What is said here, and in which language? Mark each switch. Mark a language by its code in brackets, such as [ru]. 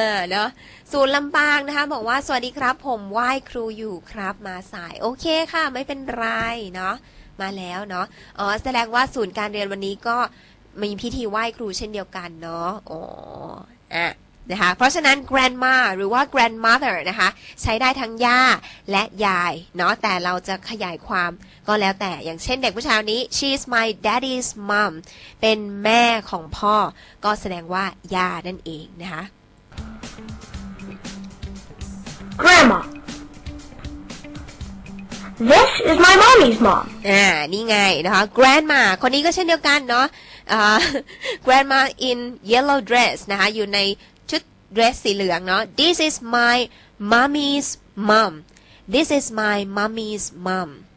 [th] เนาะศูนย์ลำปางนะคะบอกว่าสวัสดีครับผมไหว้ครูอยู่ครับมาสายโอเคค่ะไม่เป็นไรเนาะมาแล้วเนาะอ๋อแสดงว่าศูนย์การเรียนวันนี้ก็มีพิธีไหว้ครูเช่นเดียวกันเนาะอ๋ออ่ะนะคะเพราะฉะนั้น grandma หรือว่า grandmother นะคะใช้ได้ทั้งย่าและยายเนาะแต่เราจะขยายความก็แล้วแต่อย่างเช่นเด็กผู้ชายนี้ [en] she is my daddy's mom [th] เป็นแม่ของพ่อก็แสดงว่าย่านั่นเองนะคะ [en] grandma this is my mommy's mom [th] นี่ไงนะคะ grandma คนนี้ก็เช่นเดียวกันเนาะ [en] grandma in yellow dress [th] นะคะอยู่ในเดรสสีเหลืองเนาะ [en] This is my mommy's mom [th] This is my mommy's mom